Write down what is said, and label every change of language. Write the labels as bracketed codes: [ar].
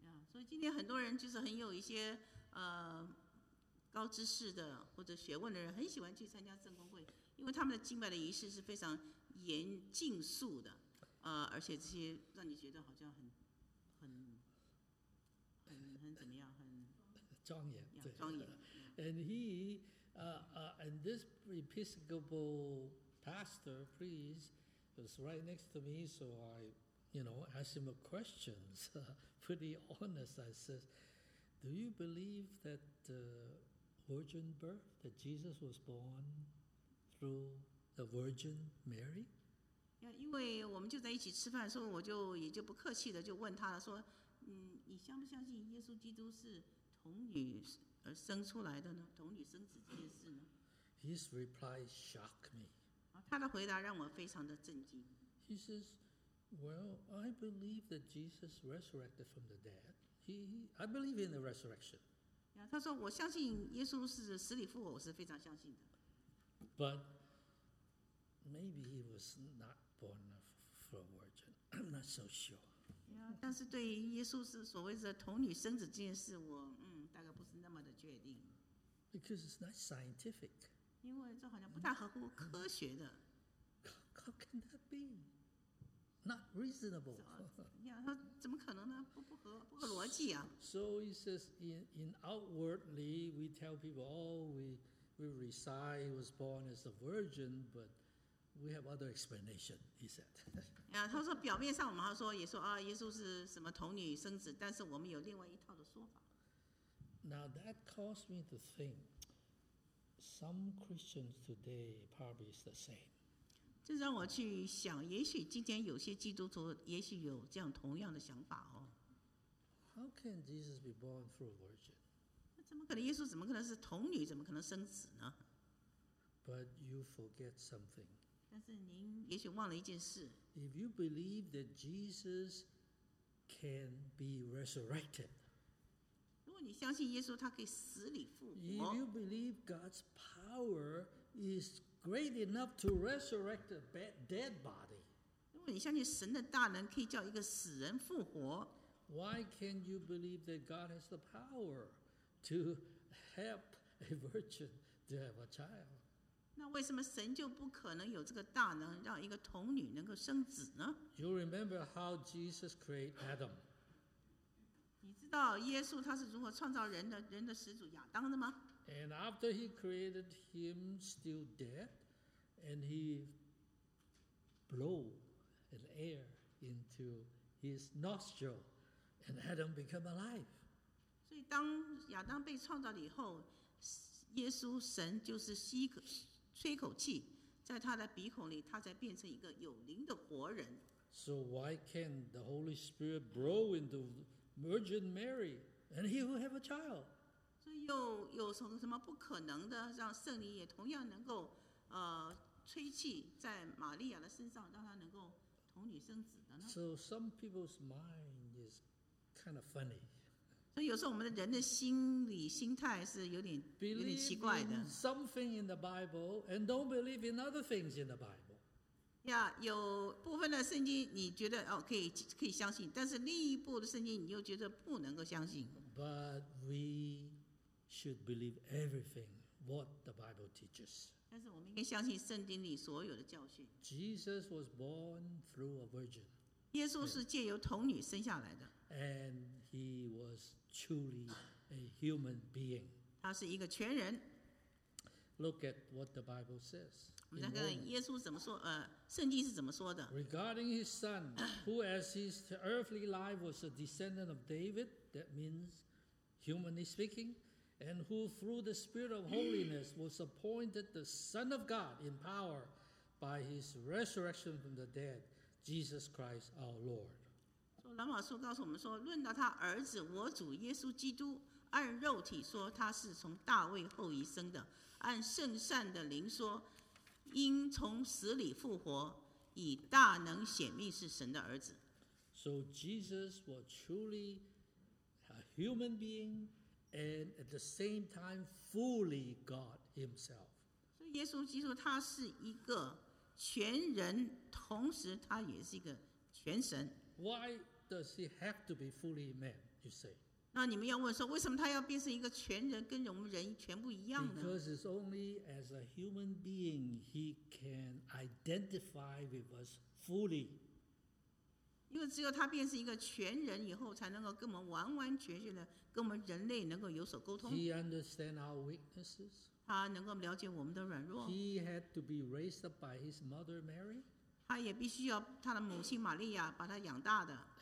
[zh] 所以今天很多人就是很有一些高知识的或者学问的人很喜欢去参加圣公会，因为他们的敬拜的仪式是非常严谨肃的，而且这些让你觉得好像很怎么样，很庄严，庄严。 [en] And he, and this Episcopal pastor, priest, was right next to me, so I, you know, asked him a question, pretty honest. I said, do you believe that the virgin birth, that Jesus was born through the Virgin Mary? Yeah, [zh] 因为我们就在一起吃饭，所以我就也就不客气的就问他了，说，你相不相信耶稣基督是童女而生出来的呢？童女生子这件事呢？ [en] His reply shocked me. [zh] 他的回答让我非常的震惊。 [en] He says, "Well, I believe that Jesus resurrected from the dead. I believe in the resurrection." [zh] 他说我相信耶稣是死里复活，我是非常相信的。 [en] But maybe he was not born for a virgin. I'm not so sure. [zh] 但是对于耶稣是所谓的童女生子这件事，我大概不是那么的确定。 [en] Because it's not scientific. [zh] 因为这好像不太合乎科学的。 [en] How can that be? Not reasonable. [zh] 怎么可能呢？不合逻辑啊。 [en] So he says, in outwardly, we tell people, oh, we recite, he was born as a virgin, but we have other explanation, he said. [zh] 他说表面上我们还说也说啊，耶稣是什么童女生子，但是我们有另外一套的说法。 [en] Now that caused me to think, some Christians today probably is the same. [zh] 这让我去想，也许今天有些基督徒也许有这样同样的想法哦。 [en] How can Jesus be born through a virgin? [zh] 那怎么可能耶稣怎么可能是童女，怎么可能生子呢？ [en] But you forget something. [zh] 但是您也许忘了一件事。 [en] If you believe that Jesus can be resurrected, [zh] 如果你相信耶稣他可以死里复活。 [en] If you believe God's power is great enough to resurrect a dead body, [zh] 如果你相信神的大能可以叫一个死人复活。 [en] Why can't you believe that God has the power to help a virgin to have a child? [zh] 那为什么神就不可能有这个大能让一个童女能够生子呢？ [en] You remember how Jesus created Adam. [zh] 你知道耶稣他是如何创造人的，人的始祖亚当的吗？ [en] And after he created him still dead, and he blew an air into his nostril, and Adam became alive. [zh] 所以当亚当被创造了以后，耶稣神就是吸口吹口气，在他的鼻孔里，他才变成一个有灵的活人。 [en] So why can't the Holy Spirit blow into Virgin Mary and he will have a child? [zh] 所以有什么不可能的，让圣灵也同样能够吹气在玛利亚的身上，让她能够童女生子的呢？ [en] So some people's mind is kind of funny. [zh] 所以有时候我们的人的心理心态是有点奇怪的。 [en] Believe in something in the Bible and don't believe in other things in the Bible. Yeah, [zh] 有部分的圣经你觉得哦可以相信，但是另一部的圣经你又觉得不能够相信。 [en] But we should believe everything what the Bible teaches. [zh] 但是我们应该相信圣经里所有的教训。 [en] Jesus was born through a virgin. [zh] 耶稣是借由童女生下来的。 [en] And he was truly a human being. [zh] 他是一个全人。 [en] Look at what the Bible says. [zh] 我们再看耶稣怎么说，圣经是怎么说的。 [en] Regarding his son, who as his earthly life was a descendant of David, that means humanly speaking, and who through the spirit of holiness was appointed the son of God in power by his resurrection from the dead, Jesus Christ our Lord. [zh] 罗马书告诉我们说，论到他儿子我主耶稣基督，按肉体说他是从大卫后裔生的，按圣善的灵说因从死里复活，以大能显明是神的儿子。 [en] So Jesus was truly a human being and at the same time fully God himself. [zh] 所以耶稣基督他是一个全人，同时他也是一个全神。 [en] Why does he have to be fully man? you say. [zh] 那你们要问说，为什么他要变成一个全人，跟我们人全部一样呢？ [en] Because it's only as a human being he can identify with us fully. [zh] 因为只有他变成一个全人以后，才能够跟我们完完全全的跟我们人类能够有所沟通。 [en] He understands our weaknesses. [zh] 他能够了解我们的软弱。 [en] He had to be raised up by his mother Mary. [zh] 他也必须要他的母亲玛利亚把他养大的。